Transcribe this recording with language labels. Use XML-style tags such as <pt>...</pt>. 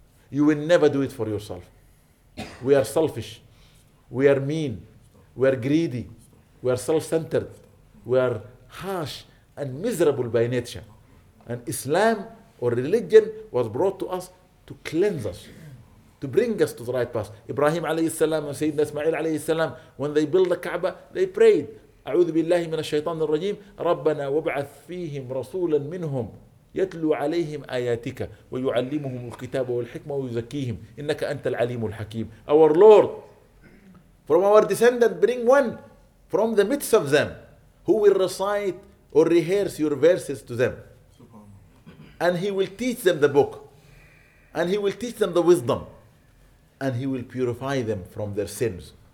<en>You will never do it for yourself. We are selfish. We are mean. We are greedy. We are self-centered. We are harsh and miserable by nature. And Islam or religion was brought to us to cleanse us, to bring us to the right path. Ibrahim alayhi salam and Sayyidina Ismail alayhi salam, when they built the Kaaba, they prayed,</en> <ar>أعوذ بالله من الشيطان الرجيم ربنا وابعث فيهم رسولا منهم يتلو عليهم آياتك ويعلمهم الكتاب والحكمة ويزكيهم إنك أنت العليم الحكيم.</ar> <en>Our Lord, from our descendant, bring one from the midst of them who will recite or rehearse your verses to them, and he will teach them the book, and he will teach them the wisdom, and he will purify them from their sins.</en>